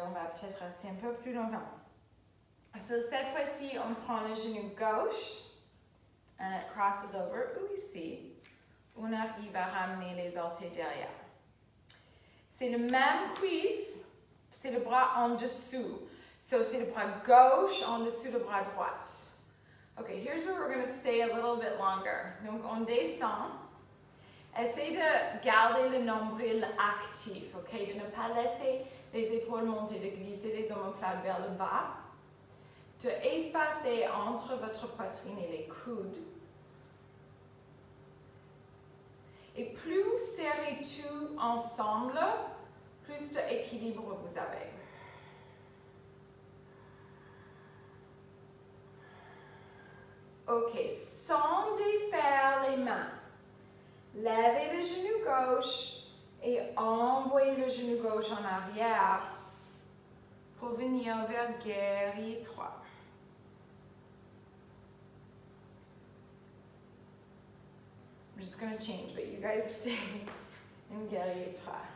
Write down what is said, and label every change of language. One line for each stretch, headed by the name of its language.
French: On va peut-être rester un peu plus longtemps. So cette fois-ci, on prend le genou gauche.
English: And it crosses over.
French: Ou ici, on arrive à ramener les orteils derrière. C'est le même cuisse, c'est le bras en dessous. So, c'est le bras gauche en dessous le bras droit.
English: Okay, here's where we're going to stay a little bit longer.
French: Donc, on descend. Essaye de garder le nombril actif, okay? De ne pas laisser les épaules monter, de glisser les omoplates vers le bas. De espacer entre votre poitrine et les coudes. Et plus vous serrez tout ensemble, plus d'équilibre vous avez. Ok, sans défaire les mains, lèvez le genou gauche et envoyez le genou gauche en arrière pour venir vers guerrier 3.
English: I'm just going to change, but you guys stay in guerrier 3.